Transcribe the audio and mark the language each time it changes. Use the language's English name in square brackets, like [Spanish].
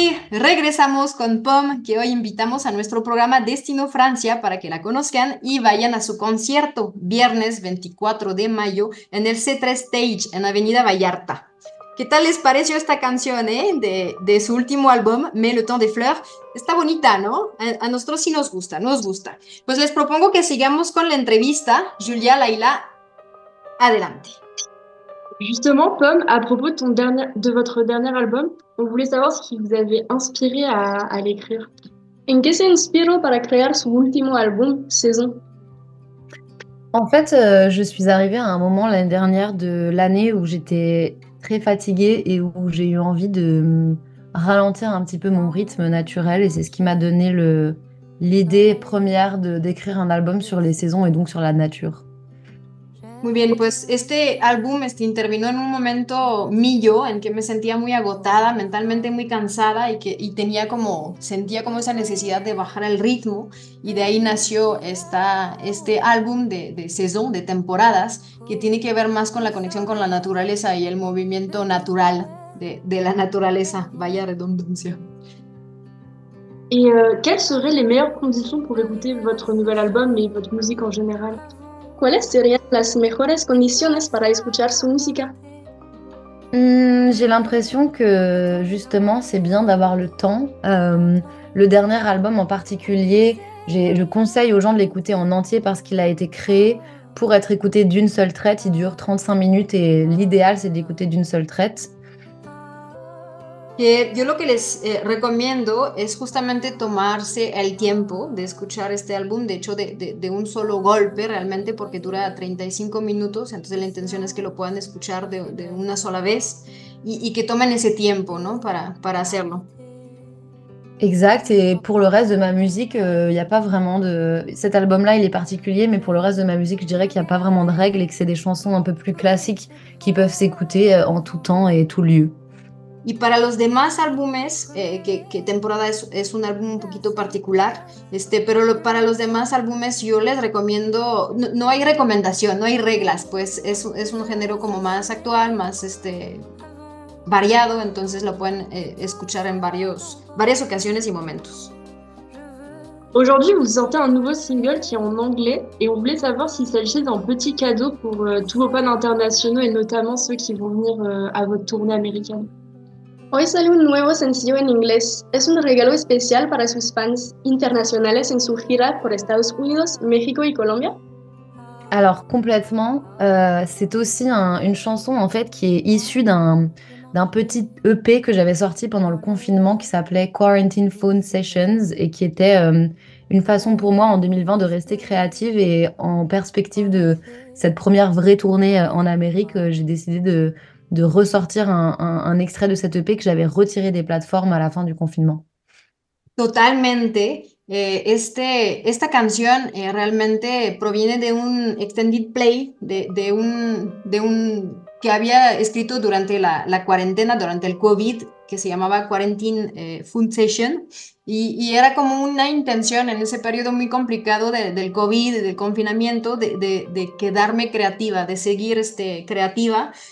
[Spanish] Regresamos con Pom, que hoy invitamos a nuestro programa Destino Francia para que la conozcan y vayan a su concierto viernes 24 de mayo en el C3 Stage en Avenida Vallarta. ¿Qué tal les pareció esta canción de su último álbum, Mais le temps des fleurs? Está bonita, ¿no? A nosotros sí nos gusta, nos gusta. Pues les propongo que sigamos con la entrevista. Julia, Laila, adelante. [French] Justement, Pom, à propos de, votre dernier album, on voulait savoir ce qui vous avait inspiré à l'écrire. [Spanish] ¿En qué se inspiró para crear su último álbum, Saison? [French] En fait, je suis arrivée à un moment l'année dernière de l'année où j'étais très fatiguée et où j'ai eu envie de ralentir un petit peu mon rythme naturel. Et c'est ce qui m'a donné l'idée première d'écrire un album sur les saisons et donc sur la nature. [Spanish] Muy bien, pues este álbum intervino en un momento mío en que me sentía muy agotada, mentalmente muy cansada y tenía como, sentía como esa necesidad de bajar el ritmo y de ahí nació este álbum de saison, de temporadas, que tiene que ver más con la conexión con la naturaleza y el movimiento natural de la naturaleza, vaya redundancia. ¿Y cuáles serían las mejores condiciones para escuchar vuestro nuevo álbum y vuestra música en general? ¿Cuáles serían las mejores condiciones para escuchar su música? [French] J'ai l'impression que justement c'est bien d'avoir le temps. Le dernier album en particulier, je conseille aux gens de l'écouter en entier parce qu'il a été créé pour être écouté d'une seule traite. Il dure 35 minutes et l'idéal c'est d'écouter d'une seule traite. [Spanish] Yo lo que les recomiendo es justamente tomarse el tiempo de escuchar este álbum, de hecho de un solo golpe realmente, porque dura 35 minutos, entonces la intención es que lo puedan escuchar de una sola vez y que tomen ese tiempo, ¿no? para hacerlo. [French] Exact, et pour le reste de ma musique, y a pas vraiment de... Cet album-là, il est particulier, mais pour le reste de ma musique, je dirais qu'il n'y a pas vraiment de règles et que c'est des chansons un peu plus classiques qui peuvent s'écouter en tout temps et tout lieu. [Spanish] Y para los demás álbumes, que temporada es un álbum un poquito particular, pero para los demás álbumes yo les recomiendo, no hay recomendación, no hay reglas, pues es un género como más actual, más variado, entonces lo pueden escuchar en varias ocasiones y momentos. [French] Aujourd'hui, vous sortez un nouveau single qui est en anglais et on voulait savoir s'il s'agissait d'un petit cadeau pour tous vos fans internationaux et notamment ceux qui vont venir à votre tournée américaine. [Spanish] Hoy sale un nuevo sencillo en inglés. Es un regalo especial para sus fans internacionales en su gira por Estados Unidos, México y Colombia. [French] Alors complètement, c'est aussi une chanson en fait qui est issue d'un d'un petit EP que j'avais sorti pendant le confinement qui s'appelait Quarantine Phone Sessions et qui était une façon pour moi en 2020 de rester créative et en perspective de cette première vraie tournée en Amérique, j'ai décidé de ressortir un extrait de cette EP que j'avais retiré des plateformes à la fin du confinement. [Spanish] Totalmente. Esta canción realmente proviene de un extended play de un que había escrito durante la cuarentena, durante el COVID, que se llamaba Quarantine Fun Session, y era como una intención en ese periodo muy complicado del COVID, del confinamiento, de quedarme creativa, de seguir creativa.